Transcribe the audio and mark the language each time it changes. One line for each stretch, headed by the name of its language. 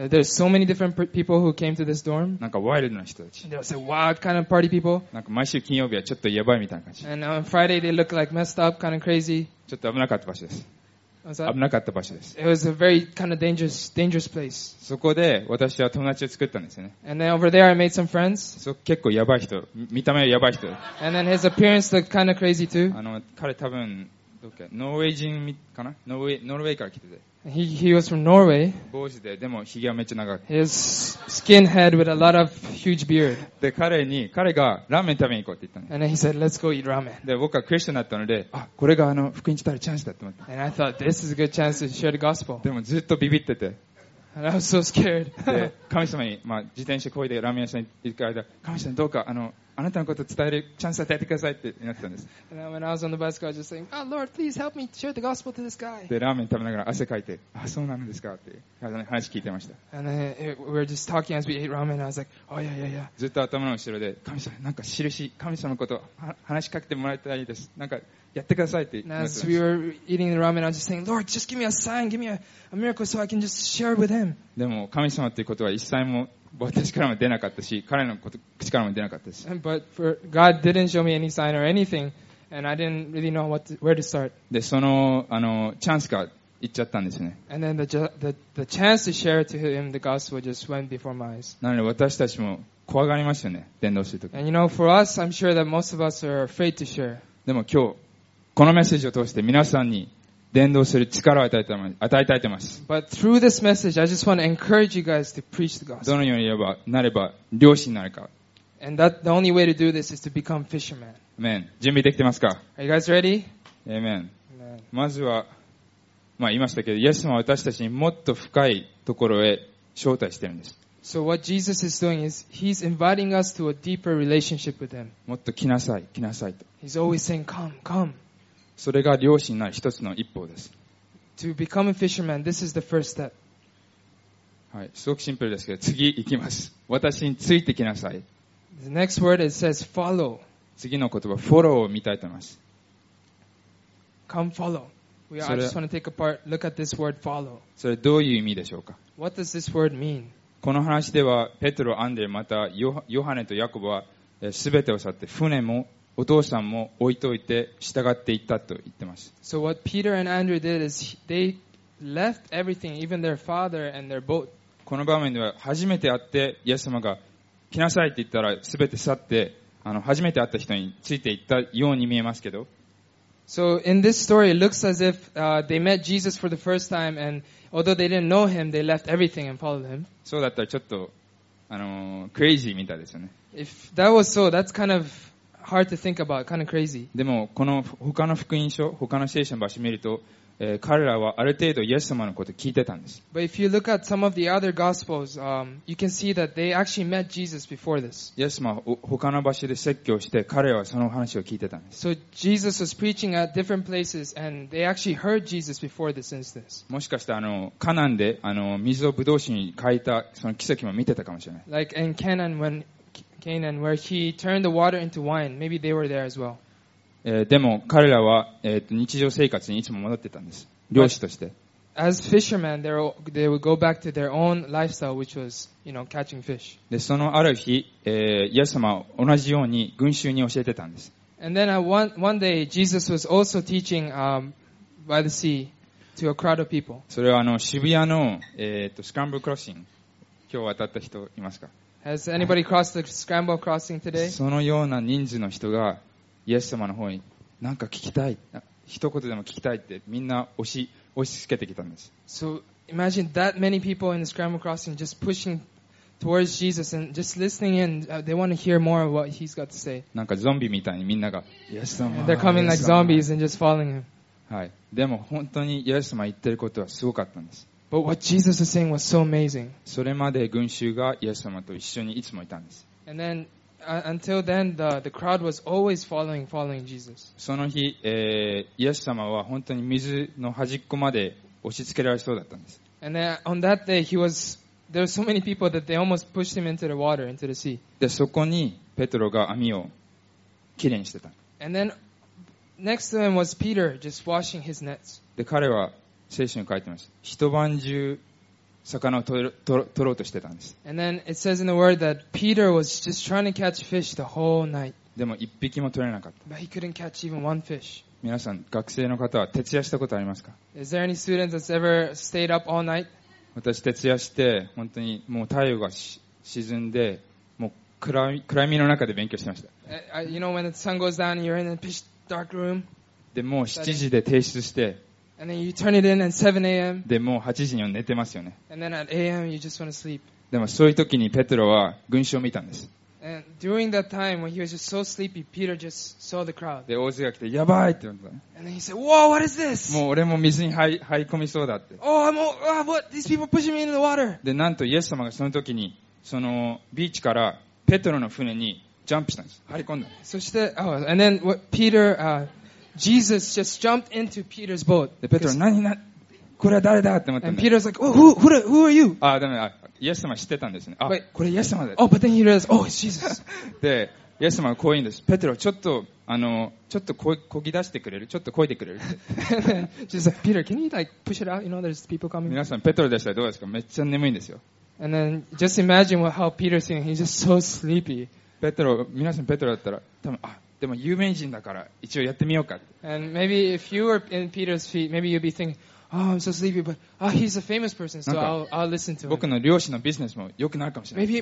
English: There's so many different people who came to this dorm.
Japanese: なんかワイルドな人たち。
English: They'll say wild kind of party people.
Japanese: なんか毎週金曜日はちょっとやばいみたいな感じ。
English: And on Friday they look like messed up, kind of crazy.
Japanese: ちょっと危なかった場所です。危なかった場所です。
English: It was a very kind of dangerous place.
Japanese: そこで私は友達を作ったんですよね。
English: And then over there I made some friends.
Japanese: そう、結構やばい人、見た目はやばい人。
English: And then his appearance looked kind of crazy too.
Japanese: 彼多分、どっか、ノルウェー人かな？ノルウェーから来てて。
English: He was from Norway.
Japanese: 帽子で、でもひげはめっちゃ長く。
English: His skinhead with a lot of huge beard.
Japanese: で、彼がラーメン食べに行こうって言ったの。
English: And then he said, let's go eat ramen.
Japanese: で、僕はクリスチャンだったので、あ、これが福音伝えるチャンスだって思った。
English: And I thought, this is a good chance to share the gospel.
Japanese: でもずっとビビってて。
English: And I was so scared.
Japanese: で、神様に、まあ、自転車こいでラーメン屋さんに行く間、神様どうか、あなたのことを伝えるチャンスを与えてくださいって言ってたんです。
English: And then when I was on the bus, I was just saying, oh Lord, please help me share the gospel to this guy.
Japanese: で、ラーメン食べながら汗かいて、あ、そうなんですかって、話聞いてました。
English: And then we were just talking as we ate ramen, and I was like, oh yeah, yeah, yeah.
Japanese: ずっと頭の後ろで、神様、なんか印、神様のことを話しかけてもらいたいです。なんか、やってくださいって言ってました。
English: And as we were eating the ramen, I was just saying, Lord, just give me a sign, give me a miracle so I can just share with him.
Japanese: でも、神様っていうことは一切も、私からも出なかったし、彼のこと口からも出なかったです。
English: But for God didn't show me any sign or anything, and I didn't really know where to start.
Japanese: で、そのチャンスが行っちゃったんですね。
English: And then the chance to share to him the gospel just went before my eyes.
Japanese: なので私たちも怖がりますよね、伝道するとき。
English: And you know, for us, I'm sure that most of us are afraid to share.
Japanese: でも今日このメッセージを通して皆さんに伝道する力を与えたいと思います。
English: But through this message, I just want to encourage you guys to preach the gospel.
Japanese: どのようになれば、漁師になるか。
English: And that, the only way to do this is to become fishermen.
Japanese: Amen. 準備できてますか？
English: Are you guys ready? Amen. Amen.
Japanese: まずは、まあ言いましたけど、イエス様は私たちにもっと深いところへ招待してるんです。
English: So what Jesus is doing is, He's inviting us to a deeper relationship with Him.
Japanese: もっと来なさいと。
English: He's always saying, come.
Japanese: それが漁師になる一つの一歩です。
English: To become a fisherman, this is the first step.
Japanese: はい、すごくシンプルですけど、次行きます。私についてきなさい。
English: The next word it says follow.
Japanese: 次の言葉、フォローを見たいと思います。
English: Come follow. We I just want to take apart, look at this word follow.
Japanese: それどういう意味でしょうか。
English: What does this word mean?
Japanese: この話ではペトロ、アンデレ、またヨハネとヤコブはすべてを去って船もお父さんも置いといて従っていったと言ってます。
English: So what Peter and Andrew did is they left everything, even their father and their boat.
Japanese: この場面では初めて会ってイエス様が来なさいって言ったらすべて去って初めて会った人についていったように見えますけど。
English: So in this story, it looks as if they met Jesus for the first time, and although they didn't know him, they left everything and followed him.
Japanese: そうだったらちょっとクレイジーみたいですよね。
English: If that was so, that's kind of hard to think about, kind of crazy.
Japanese: でもこの他の福音書、他の聖書の場所を見ると、彼らはある程度イエス様のことを聞いてたんです。
English: But if you look at some of the other gospels, you can see that they actually met Jesus before this.
Japanese: イエス様は他の場所で説教して、彼らはその話を聞いてたんです。
English: So Jesus was preaching at different places, and they actually heard Jesus before this instance.
Japanese: もしかしてカナンで水をブドウ酒に変えたその奇跡も見てたかもしれない。
English: Like in Canaan whenCanaan, where he turned the water into wine. Maybe they were there as well.
Japanese: でも彼らは、日常生活にいつも戻ってたんです。漁師として。
English: But、as fishermen, they would go back to their own lifestyle, which was, you know, catching fish.
Japanese: で、そのある日、イエス様は同じように群衆に教えてたんです。
English: And then one day, Jesus was also teaching, by the sea to a crowd of people.
Japanese: それは渋谷の、スクランブルクロッシング。今日渡った人いますか？
English: Has anybody crossed the scramble crossing today?
Japanese: そのような人数の人がイエス様の方に何か聞きたい、一言でも聞きたいってみんな押しつけてきたんです。
English: So imagine that many people in the scramble crossing just pushing towards Jesus and just listening in. They want to hear more of what he's got to say.
Japanese: なんかゾンビみたいにみんながイエス様。
English: And they're coming like zombies and just following him.
Japanese: はい。でも本当にイエス様言ってることはすごかったんです。
English: But what Jesus was saying was so amazing.
Japanese: それまで群衆がイエス様と一緒にいつもいたんです。
English: And then, until then, the crowd was always following Jesus.
Japanese: その日、イエス様は本当に水の端っこまで押し付けられそうだったんです。
English: And then, on that day, there were so many people that they almost pushed him into the water, into the sea.
Japanese: で、そこにペトロが網をきれいにしてた。
English: And then, next to him was Peter, just washing his nets.
Japanese: で、彼は聖書に書いてます。一晩中魚を取ろうとしてたんです。
English: And then it says in the word that Peter was just trying to catch fish the whole night.
Japanese: でも一匹も取れなかった。
English: But he couldn't catch even one fish.
Japanese: 皆さん、学生の方は徹夜したことありますか？
English: Is there any student that's ever stayed up all night?
Japanese: 私徹夜して本当にもう太陽が沈んでもう暗闇の中で勉強してました。
English: You know when the sun goes down and you're in a pitch dark room?
Japanese: でもう7時で提出して。
English: And then you turn it in at 7 a.m.
Japanese: でもう8時には寝てますよね。
English: And then at a.m. you just want to sleep.
Japanese: でもそういう時にペトロは群衆を見たんです。
English: And during that time when he was just so sleepy, Peter just saw the crowd.
Japanese: で大勢が来てやばいって言った。
English: And then he said, "Whoa, what is this?"
Japanese: もう俺も水に入り込みそうだって。
English: Oh, I'm all, ah, what? These people pushing me into the water.
Japanese: でなんとイエス様がその時にそのビーチからペトロの船にジャンプしたんです。入り込んだ。
English: そして、oh, and then what Peter, Jesus just jumped into Peter's boat.
Japanese: で、ペトロ、何、これは誰だって思ったんです。
English: And Peter's like, oh, who are you?
Japanese: あ、でも、イエス様知ってたんですね。あ、
English: Wait.
Japanese: これイエス様だ。
English: Oh, but then he realized, oh, it's Jesus.
Japanese: で、イエス様がこう言うんです。ペトロ、ちょっとこぎ出してくれる？ちょっとこいでくれる？
English: And then, she's like, Peter, can you like, push it out? You know, there's people coming.
Japanese: 皆さん、ペトロでしたらどうですか？めっちゃ眠いんですよ。
English: And then, just imagine how Peter's seeing. He's just so sleepy.
Japanese: ペトロ、皆さん、ペトロだったら、多分、あ、でも有名人だから一応やってみようか。
English: And maybe if you were in Peter's feet, maybe you'd be thinking, oh, I'm so sleepy, but oh, he's a famous person, so I'll listen to him.
Japanese: 僕の漁師のビジネスも良くなるかもしれない。